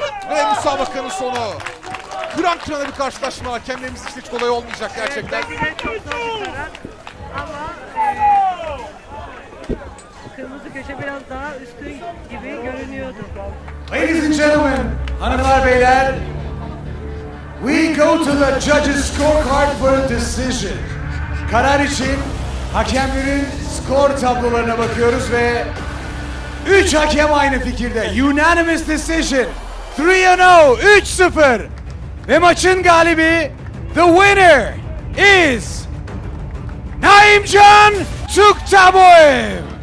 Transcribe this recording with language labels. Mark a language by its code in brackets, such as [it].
[tr] Ve müsabakanın sonu. Kıran kırana bir karşılaşma. Hakemlerimiz için hiç kolay olmayacak gerçekten. Ama kırmızı köşe biraz daha üstün gibi görünüyordu. [en] Ladies and gentlemen, [tr] hanımlar beyler. [en] We go to the judges' scorecard for a decision. [tr] Karar için hakemlerin skor tablolarına bakıyoruz ve 3 hakem aynı fikirde. [en] Unanimous decision. 3-0, 3-0. [tr] Ve maçın galibi, [en] the winner is [tr] Naimcan Tuktaboev.